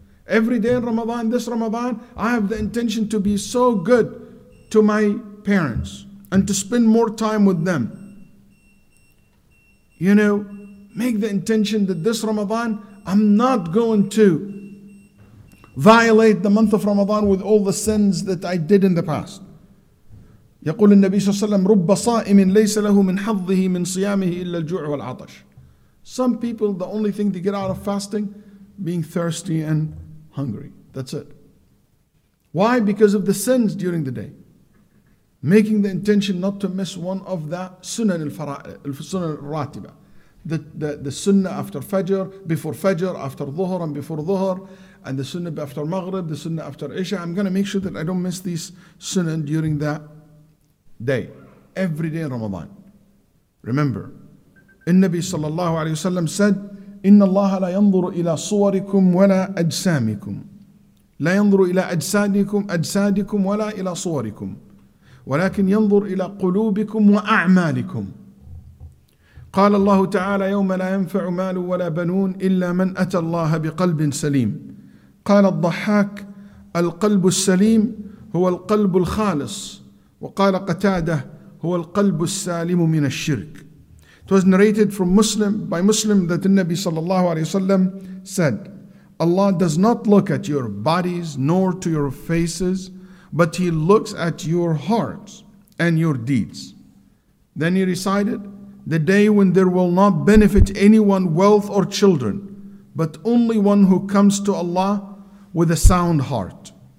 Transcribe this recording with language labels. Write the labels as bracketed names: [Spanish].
[English] Every day in Ramadan, this Ramadan, I have the intention to be so good to my parents and to spend more time with them. You know, make the intention that this Ramadan, I'm not going to violate the month of Ramadan with all the sins that I did in the past. [Arabic] يقول النبي صلى الله عليه وسلم رب صائم ليس له من حظه من صيامه إلا الجوع والعطش. [English] Some people, the only thing they get out of fasting, being thirsty and hungry. That's it. Why? Because of the sins during the day. Making the intention not to miss one of the sunan al-ratiba, the sunnah after fajr, before fajr, after dhuhr, and before dhuhr, and the sunnah after maghrib, the sunnah after isha. I'm going to make sure that I don't miss these sunan during that day, every day in Ramadan. [Arabic] Remember, النبي صلى الله عليه وسلم said, إن الله لا ينظر إلى صوركم ولا أجسامكم. لا ينظر إلى أجسادكم ولا إلى صوركم. ولكن ينظر إلى قلوبكم وأعمالكم. قال الله تعالى يوم لا ينفع مال ولا بنون إلا من أتى الله بقلب سليم. قال الضحاك القلب السليم هو القلب الخالص. وقال قتاده هو القلب السالم من الشرك. [English] It was narrated from Muslim by Muslim that the Nabi sallallahu alayhi wasallam said, Allah does not look at your bodies nor to your faces, but He looks at your hearts and your deeds. Then he recited, the day when there will not benefit anyone wealth or children, but only one who comes to Allah with a sound heart.